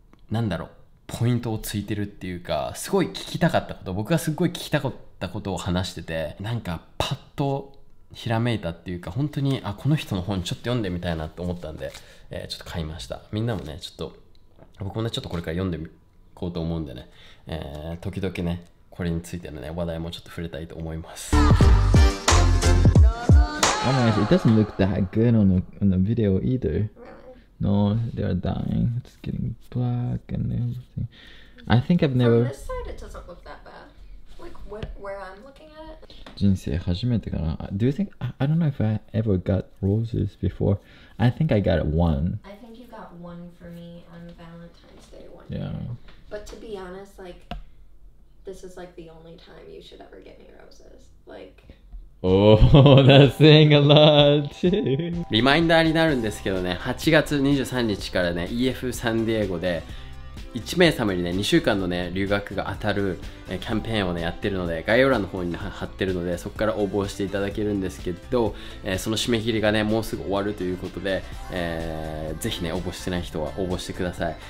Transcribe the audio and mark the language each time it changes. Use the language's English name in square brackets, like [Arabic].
[Japanese] なんだろう、ポイントをついてるっていうか、すごい聞きたかったこと、僕がすごい聞きたかったことを話してて、なんか、パッと、ひらめいたっていうか、本当に、あ、この人の本ちょっと読んでみたいなと思ったんで、ちょっと買いました。みんなもね、ちょっと、僕もね、ちょっとこれから読んでみこうと思うんでね、時々ね、これについてのね、話題もちょっと触れたいと思います。 [English] Oh my gosh, it doesn't look that good on the video either. No, they are dying. It's getting black and everything. I think I've never... From this side, it doesn't look that bad. Like, where I'm looking at it. [Japanese] 人生初めてかな。 [English] Do you think... I don't know if I ever got roses before. I think I got one. I think you got one for me on Valentine's Day one. Yeah. But to be honest, like... This is like the only time you should ever get me roses. Like, oh, that's saying a lot. [Japanese] Reminder になるんですけどね、8月23日からね、EF サンディエゴで1名様にね、2週間のね、留学が当たるキャンペーンをね、やってるので、概要欄の方に貼ってるので、そこから応募していただけるんですけど、その締め切りがね、もうすぐ終わるということで、ぜひね、応募してない人は応募してください。